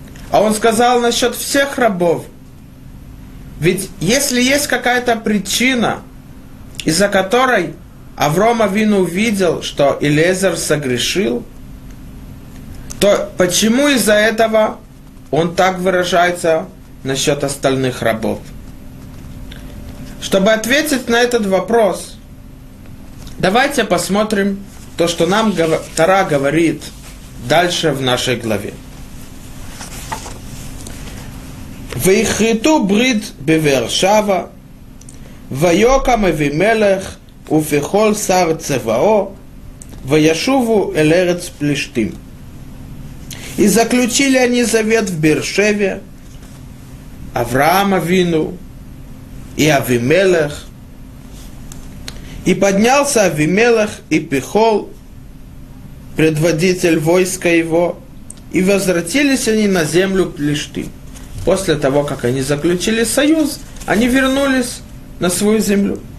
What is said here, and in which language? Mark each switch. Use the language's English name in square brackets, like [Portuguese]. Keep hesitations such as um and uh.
[Russian] А он сказал насчет всех рабов. Ведь если есть какая-то причина, из-за которой Аврома Вину увидел, что Илезер согрешил, то почему из-за этого он так выражается насчет остальных рабов? Чтобы ответить на этот вопрос, давайте посмотрим то, что нам гов- Тара говорит дальше в нашей главе. [Hebrew] ויכרתו ברית בבאר שבע, ויקם אבימלך ובכל שר צבאו, וישובו אל ארץ פלישתים. [Russian] И заключили они завет в Бершеве, Авраам Авину и Авимелех. И поднялся Авимелех и Пихол, предводитель войска его, и возвратились они на землю Плештим после того, как они заключили союз, они вернулись на свою землю.